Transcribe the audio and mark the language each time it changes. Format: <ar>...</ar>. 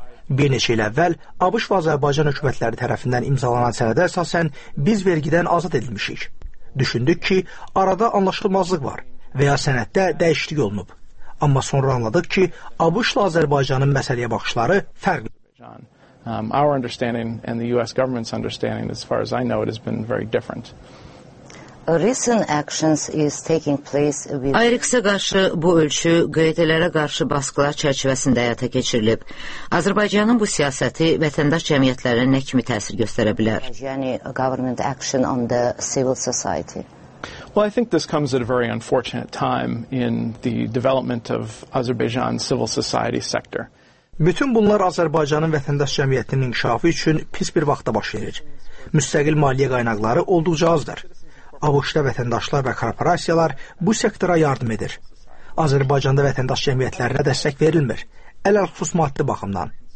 <az>Bir neçə il əvvəl ABŞ və Azərbaycan hökumətləri tərəfindən imzalanan sənədə əsasən biz vergidən azad edilmişik. Düşündük ki, arada anlaşılmazlıq var və ya sənəddə dəyişiklik olunub. Amma sonra anladıq ki, ABŞ ilə Azərbaycanın məsələyə baxışları fərqlidir.</az> <en>Our understanding and the US government's understanding, as far as I know, it has been very different. Recent actions is taking place with</en> <az>IREX-ə qarşı bu ölçü QYT-lərə qarşı baskılar çərçivəsində həyata keçirilib. Azərbaycanın bu siyasəti vətəndaş cəmiyyətlərinə nə kimi təsir göstərə bilər? Yəni</az> <en>government action on the civil society. Well, I think this comes at a very unfortunate time in the development of Azerbaijan's civil society sector.</en> <az>Bütün bunlar Azərbaycanın vətəndaş cəmiyyətinin inkişafı üçün pis bir vaxtda baş verir. Müstəqil maliyyə qaynaqları olduqca azdır. ABŞ-da vətəndaşlar və korporasiyalar bu sektora yardım edir. Azərbaycanda vətəndaş cəmiyyətlərinə dəstək verilmir, ələlxüsus maddi baxımdan.</az>